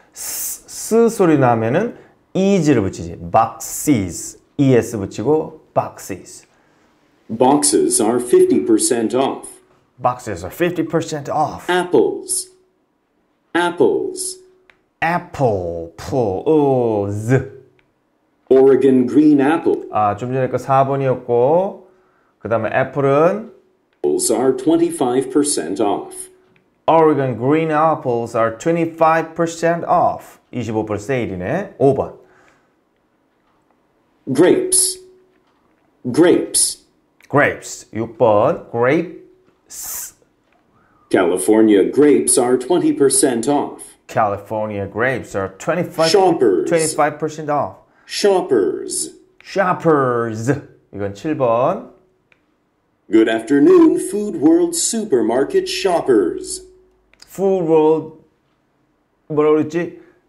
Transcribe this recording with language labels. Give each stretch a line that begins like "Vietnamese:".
Korean: S 소리 나면은 is를 붙이지.
English: Boxes.
Korean: es 붙이고 boxes.
English: Boxes are 50% off. Boxes are 50% off. Apples. Apples. Apple. Pull. Z. Oregon green apple.
Korean: 아, 좀 전에 거 4번이었고 그 다음에 애플은
English: apples are 25% off. Oregon green apples are 25% off.
Korean: 25% sale이네. 5번.
English: Grapes. Grapes. Grapes. 6번. Grape. California grapes are 20% off. California grapes are 25% shoppers. 25% off. Shoppers.
Korean: Shoppers. 이건 7번.
English: Good afternoon, Food World supermarket shoppers.
Korean: Food World 뭐라고 그랬지?